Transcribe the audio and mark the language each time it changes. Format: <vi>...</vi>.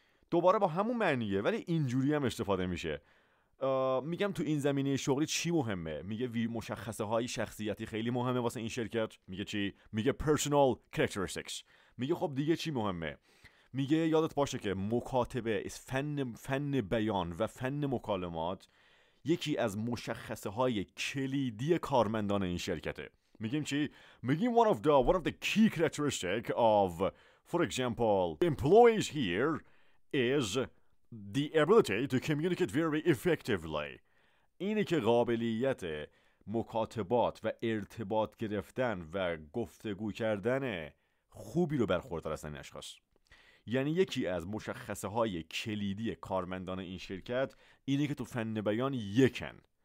<fa>دوباره با همون معنیه ولی اینجوری هم استفاده میشه. میگم تو این زمینه شغلی چی مهمه؟ میگه مشخصه های شخصیتی خیلی مهمه واسه این شرکت. میگه چی؟ میگه</fa> <en>personal characteristics.</en> <fa>میگه خب دیگه چی مهمه؟ میگه یادت باشه که مکاتبه، فن بیان و فن مکالمات یکی از مشخصه های کلیدی کارمندان این شرکته. میگیم چی؟ میگیم</fa> <en>one of the key characteristic of for example employees here is the ability to communicate very effectively.</en> <fa>اینه که قابلیت مکاتبات و ارتباط گرفتن و گفتگو کردن خوبی رو برخوردار هستن این اشخاص. یعنی یکی از مشخصه های کلیدی کارمندان این شرکت اینه که تو فن بیان یکن.</fa>